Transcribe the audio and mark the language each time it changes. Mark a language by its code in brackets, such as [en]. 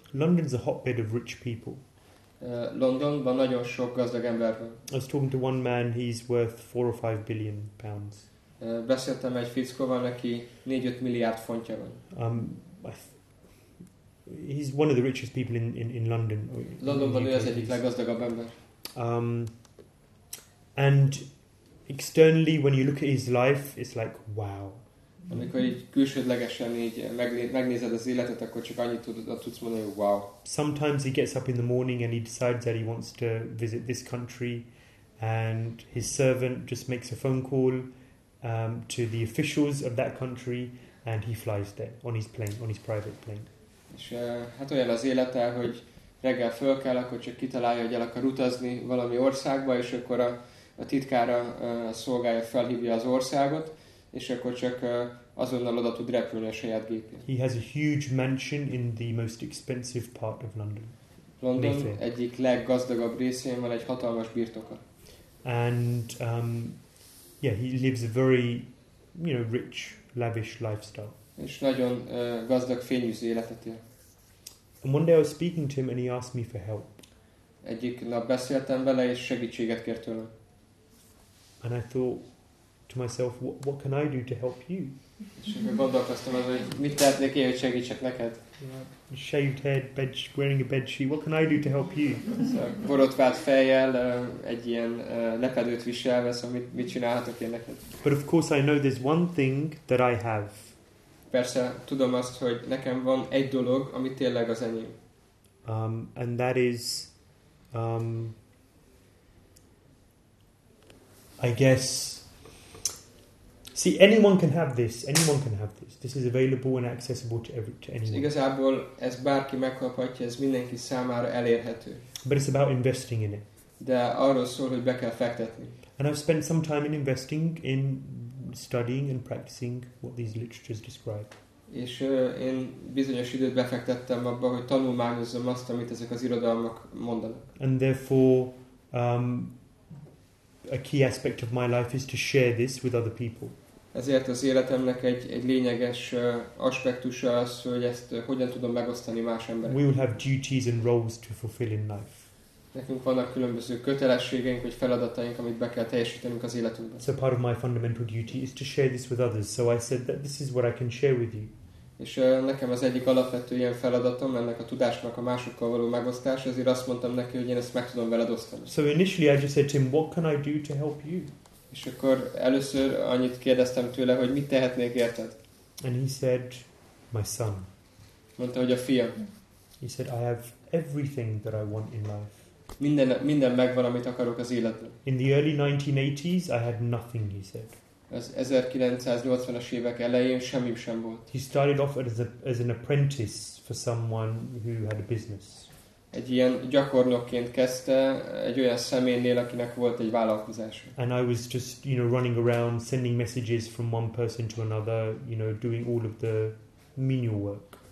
[en] London's a hotbed of rich people. [hu] Londonban nagyon sok gazdag ember van. [en] I was talking to one man, he's worth 4 or 5 billion pounds. [hu] Beszéltem egy fickóval, neki 4-5 milliárd fontja van. [en] Um, I th- he's one of the richest people in London. [hu] Londonban ő az egyik leggazdagabb ember. [en] And externally, when you look at his life, it's like, wow. [hu] Amikor így külsődlegesen így megnézed az életet, akkor csak annyit tudsz mondani, hogy wow. [en] Sometimes he gets up in the morning and he decides that he wants to visit this country, and his servant just makes a phone call to the officials of that country, and he flies there on his plane, on his private plane. [hu] És hát olyan az élete, hogy reggel föl kell, akkor csak kitalálja, hogy el akar utazni valami országba, és akkor a titkára a szolgája felhívja az országot, és akkor csak azonnal oda tud repülni a saját gépén. [en] He has a huge mansion in the most expensive part of London. [hu] London egyik leggazdagabb részén van egy hatalmas birtoka. [en] And he lives a very, you know, rich, lavish lifestyle. [hu] És nagyon gazdag, fényűző életet él. [en] And one day I was speaking to him and he asked me for help. [hu] Egyik nap beszéltem vele és segítséget kért tőlem. [en] And I thought to myself, what can I do to help you? [hu] És akkor gondolkoztam azon, hogy mit tehetnék én, hogy segítsek neked. [en] Yeah. Shaved head, wearing a bed sheet. What can I do to help you? [hu] Borotvált fejjel, egy ilyen lepedőt viselve, szóval mit csinálhatok én neked? [en] But of course I know there's one thing that I have. [hu] Persze tudom azt, hogy nekem van egy dolog, ami tényleg az enyém. [en] And that is, I guess, see, anyone can have this. Anyone can have this. This is available and accessible to anyone. [hu] És igazából ez bárki megkaphatja, ez mindenki számára elérhető. [en] But it's about investing in it. [hu] De arról szól, hogy be kell fektetni. [en] And I've spent some time in investing in studying and practicing what these literatures describe. [hu] És én bizonyos időt befektettem abba, hogy tanulmányozzam azt, amit ezek az irodalmak mondanak. [en] And therefore, a key aspect of my life is to share this with other people. [hu] Ezért az életemnek egy lényeges aspektusa az, hogy ezt hogyan tudom megosztani más emberekkel. [en] We will have duties and roles to fulfill in life. [hu] Nekünk vannak különböző kötelességeink vagy feladataink, amit be kell teljesítenünk az életünkben. [en] So part of my fundamental duty is to share this with others. So I said that this is what I can share with you. [hu] És nekem az egyik alapvető ilyen feladatom, ennek a tudásnak a másokkal való megosztás, ezért azt mondtam neki, hogy én ezt meg tudom veled osztani. [en] So initially I just said to him, what can I do to help you? [hu] És akkor először annyit kérdeztem tőle, hogy mit tehetnék érted? [en] And he said, my son. [hu] Mondta, hogy a fiam. [en] He said, I have everything that I want in life. [hu] Minden megvan, amit akarok az életben. [en] In the early 1980s, I had nothing, he said. [hu] Az 1980-as évek elején semmi sem volt. [en] He started off as an apprentice for someone who had a business. [hu] Egy ilyen gyakornokként kezdte, egy olyan személynél, akinek volt egy vállalkozása. [en] And I was just, you know, running around, sending messages from one person to another, you know, doing all of the menial work.